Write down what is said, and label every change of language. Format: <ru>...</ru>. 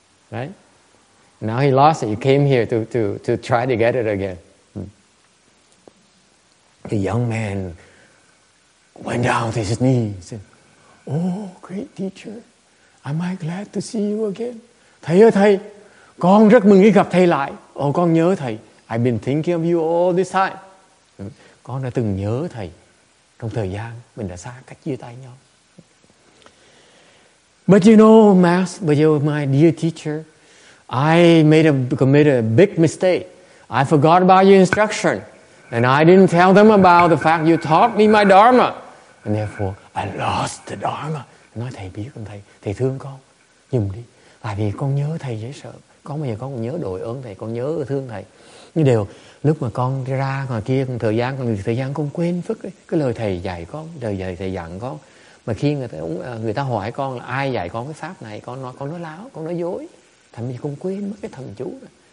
<en>Right? Now he lost it. He came here to try to get it again. The young man went down to his knees and said, "Oh, great teacher, am I glad to see you again?</en> <vi>Thầy ơi thầy, con rất mừng khi gặp thầy lại. Oh, con nhớ thầy.</vi> <en>I've been thinking of you all this time."</en> <vi>Con đã từng nhớ thầy. Trong thời gian mình đã xa cách chia tay nhau.</vi> <en>"But you know, Master, but you're my dear teacher, I committed a big mistake. I forgot about your instruction. And I didn't tell them about the fact you taught me my Dharma. And therefore, I lost the Dharma."</en> <vi>Nói thầy biết không thầy? Thầy thương con. Dùm đi. Tại vì con nhớ thầy dễ sợ. Con bây giờ con nhớ đội ơn thầy. Con nhớ thương thầy. Nhưng đều lúc mà con ra ngoài kia thời gian con quên phức ấy, cái lời thầy dạy con, lời dạy thầy dặn con, mà khi người ta hỏi con là ai dạy con cái pháp này, con nói láo, con nói dối, thậm chí con quên mất cái thần chú đó.</vi>